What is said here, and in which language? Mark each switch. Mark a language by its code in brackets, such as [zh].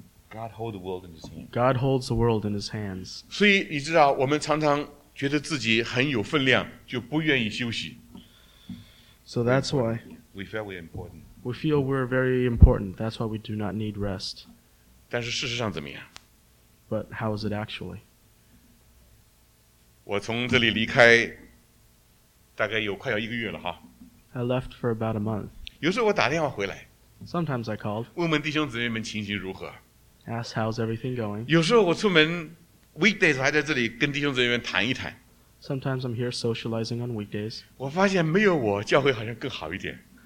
[en] God holds the world in His hands. [zh] 所以你知道，我们常常觉得自己很有分量，就不愿意休息。 [en] So that's why we feel we're important. We feel we're very important. That's why we do not need rest. [zh] 但是事实上怎么样？ [en] But how is it actually? [zh] 我从这里离开大概有快要一个月了哈。 [en] I left for about a month. [zh] 有时候我打电话回来。 [en] Sometimes I called. [zh] 问问弟兄姊妹们情形如何。 [en] Ask how's everything going. [zh] 有时候我出门 weekdays 还在这里跟弟兄姊妹们谈一谈。 [en] Sometimes I'm here socializing on weekdays. [zh] 我发现没有我教会好像更好一点。